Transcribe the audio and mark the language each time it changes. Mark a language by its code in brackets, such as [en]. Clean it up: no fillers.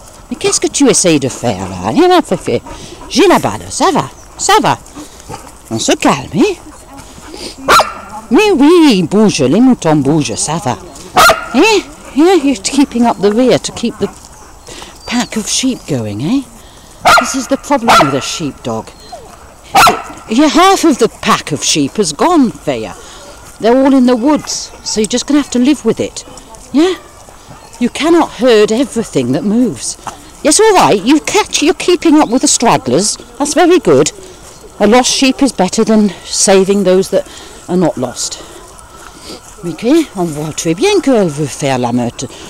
[fr] Mais qu'est-ce que tu essayes de faire, là? Rien à faire. J'ai la balle, ça va. On se calme, hein? Mais oui, bouge, les moutons bougent, ça va. Eh? [en] Yeah, you're keeping up the rear to keep the pack of sheep going, eh? This is the problem with a sheepdog. Yeah, half of the pack of sheep has gone, Faya. They're all in the woods, so you're just going to have to live with it. Yeah? You cannot herd everything that moves. Yes, all right, you're keeping up with the stragglers. That's very good. A lost sheep is better than saving those that are not lost. [fr] Mais que, on voit très bien qu'elle veut faire la meute.